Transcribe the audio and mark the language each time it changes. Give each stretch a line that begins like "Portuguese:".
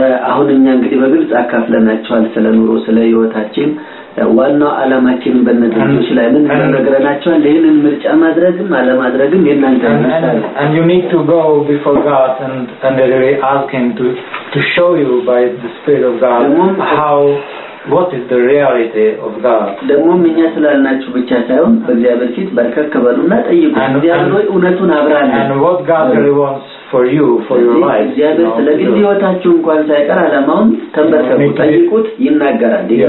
Amharic: አሁንኛ እንግዲህ በግልጽ አካፍለናችኋል ስለ ኑሮ ስለ ህይወታችን ዋናው ዓላማችን በነገሮች ላይ ምን እንደነገራናችሁ ለይንን ምርጫ ማድረግም አለማድረግም የናንተ ነው
English: and you need to go before God and really ask him to show you by the spirit of God how what is the reality of God
Amharic: ደሞ ምንኛ ስላልናችሁ ብቻ ሳይሆን በእግዚአብሔር ፊት በርከከበሉና ጠይቁ እግዚአብሔር እውነቱን አብራራለን
English: and what God really wants for you for your life
Amharic: እግዚአብሔር ስለዚህ ህይወታችሁ እንኳን ሳይቀር አለማውን ተንበርከኩ ጠይቁት ይናገራል